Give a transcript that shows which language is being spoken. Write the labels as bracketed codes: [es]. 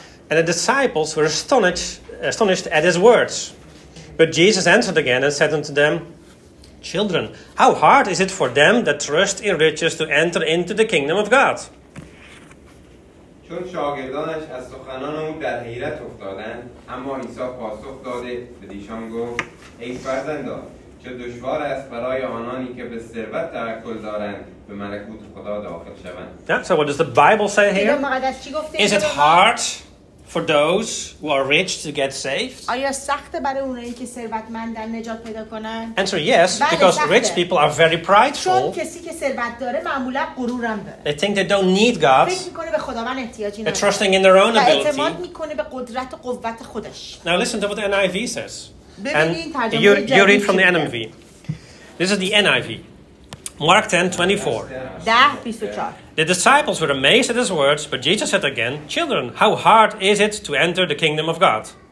[en] And the disciples were astonished at his words. But Jesus answered again and said unto them, Children, how hard is it for them that trust in riches to enter into the kingdom of God? [fa] چون شاگردانش از سخنان او در حیرت افتادند، اما عیسی پاسخ داده به دیشان گفت، ای فرزندان، چه دشوار است برای آنانی که به ثروت توکل دارند به ملکوت خدا داخل شوند. [en] Yeah, so what does the Bible say here? Is it hard for those who are rich to get saved? [fa] آیا سخت برای اونایی که ثروتمندن نجات پیدا کنن؟ [en] Answer yes, because rich people are very prideful. [fa] چون کسی که ثروت داره معمولا غرورم داره. [en] They think they don't need God. [fa] فکر میکنه به خداوند احتیاجی نداره. [en] They're trusting in their own ability. [fa] اعتماد میکنه به قدرت و قوت خودش. [en] Now listen to what the NIV says. And you read from the NIV. This is the NIV. Mark 10, 24. The disciples were amazed at his words, but Jesus said again, Children, how hard is it to enter the kingdom of God?